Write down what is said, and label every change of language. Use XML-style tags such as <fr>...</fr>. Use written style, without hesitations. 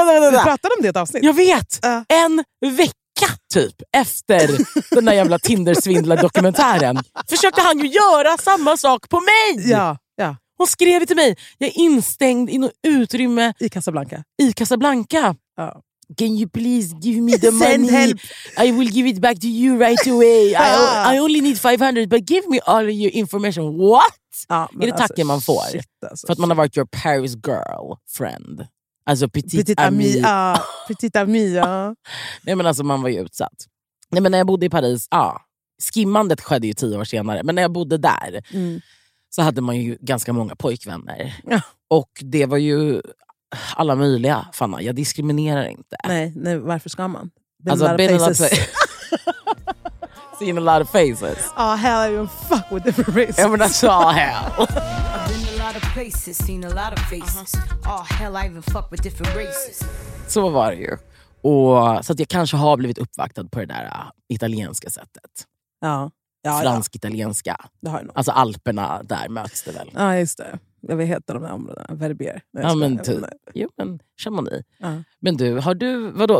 <sv>Vi pratade om det ett avsnitt. Jag vet. En vecka, typ, efter den där jävla Tinder-svindla-dokumentären försökte han ju göra samma sak på mig. Ja, ja. Hon skrev till mig, jag är instängd i något utrymme. I Casablanca. I Casablanca. Ja.</sv> <en>Can you please give me the money? Help. I will give it back to you right away. I only need 500, but give me all of your information. What?</en> <sv>Ja, är det alltså, tacken man får? Shit, alltså, för att man har varit</sv> <en>your Paris girl friend.</en> <fr>Alltså petite amie. Ja, petite amie, ja.</fr> <sv>Nej, men alltså man var ju utsatt. Nej, men när jag bodde i Paris, ja. Skimmandet skedde ju 10 år senare. Men när jag bodde där så hade man ju ganska många pojkvänner. Ja. Och det var ju... alla möjliga, fanna. Jag diskriminerar inte. Nej, varför ska man?</sv> <en>Been alltså, been a lot of faces. Seen a lot of faces. Oh hell, I even fuck with different races. Yeah, but that's all hell. I've been a lot of places, seen a lot of faces. Oh hell, I even fuck with different races.</en> <sv>Så var det ju. Och, så att jag kanske har blivit uppvaktad på det där italienska sättet. Ja. Ja, fransk-italienska. Det har jag nog. Alltså Alperna, där möts det väl. Ja, just det. Jag vet heta de här områdena, Verbier. Ja, men typ. Jo, men Chamonix. Men du, har du, vadå?</sv>